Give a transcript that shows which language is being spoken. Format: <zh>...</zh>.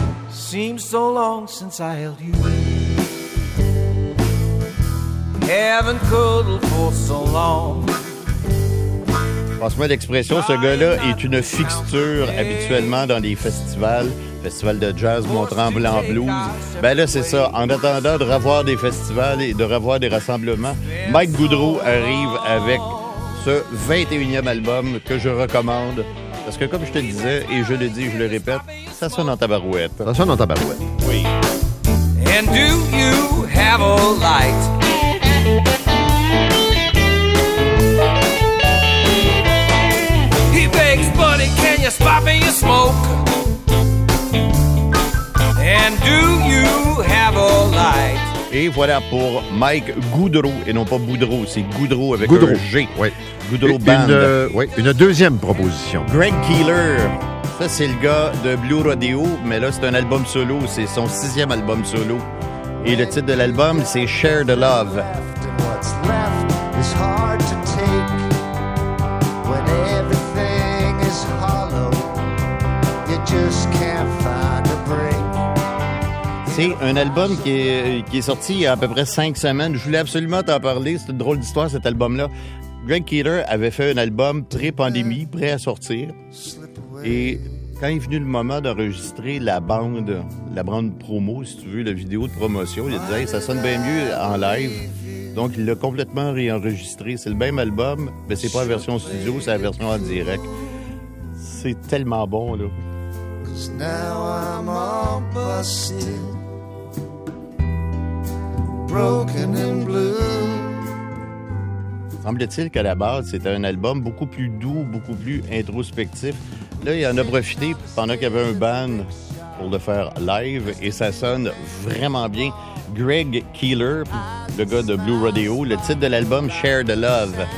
<en>Seems so long since I held you. Haven't cuddled for so long.</en> <fr>Passe-moi l'expression, ce gars-là est une fixture habituellement dans les festivals. Festival de jazz, Mont-Tremblant Blues. Ben là, c'est ça. En attendant de revoir des festivals et de revoir des rassemblements, Mike Goodreau arrive avec ce 21e album que je recommande. Parce que comme je te disais, et je le dis, je le répète, ça sonne en tabarouette. Ça sonne en tabarouette.</fr> <en>Oui. And do you have a light? He begs, buddy, can you spot me a smoke? And do you have a light?</en> <fr>Et voilà pour Mike Goodreau, et non pas Boudreau, c'est Goodreau avec Goodreau. Un G. Oui. Goodreau Band. Une deuxième proposition. Greg Keeler. Ça, c'est le gars de Blue Rodeo, mais là, c'est un album solo. C'est son 6e album solo. Et le titre de l'album, c'est Share the Love.</fr> <en>What's left is hard to take. When everything is hollow, you just can't find a break.</en> <fr>C'est un album qui est sorti il y a à peu près 5 semaines. Je voulais absolument t'en parler. C'est une drôle d'histoire, cet album-là. Greg Keeler avait fait un album pré-pandémie, prêt à sortir. Et quand est venu le moment d'enregistrer la bande promo, si tu veux, la vidéo de promotion, il a dit, hey, ça sonne bien mieux en live. Donc, il l'a complètement réenregistré. C'est le même album, mais c'est pas la version studio, c'est la version en direct. C'est tellement bon, là.</fr> <en>Cause now I'm all busted, broken and blue.</en> <fr>Semble-t-il qu'à la base, c'était un album beaucoup plus doux, beaucoup plus introspectif. Là, il en a profité pendant qu'il y avait un band pour le faire live et ça sonne vraiment bien. Greg Keeler, le gars de Blue Rodeo, le titre de l'album Share the Love.</fr>